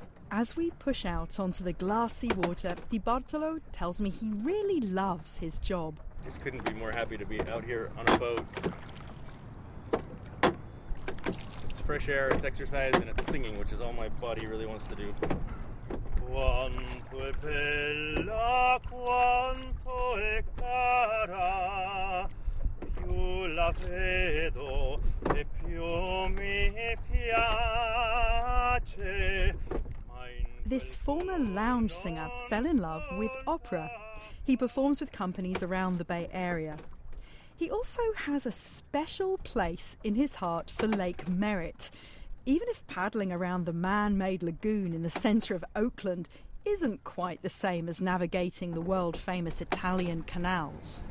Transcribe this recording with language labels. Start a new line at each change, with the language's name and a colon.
English: As we push out onto the glassy water, Di Bartolo tells me he really loves his job. Just couldn't be more happy to be out here on a boat. It's fresh air, it's exercise, and it's singing, which is all my body really wants to do.
Italian: Quanto è bella, quanto è cara, più la vedo e più mi piace.
English: This former lounge singer fell in love with opera. He performs with companies around the Bay Area. He also has a special place in his heart for Lake Merritt. Even if paddling around the man-made lagoon in the centre of Oakland isn't quite the same as navigating the world-famous Italian canals.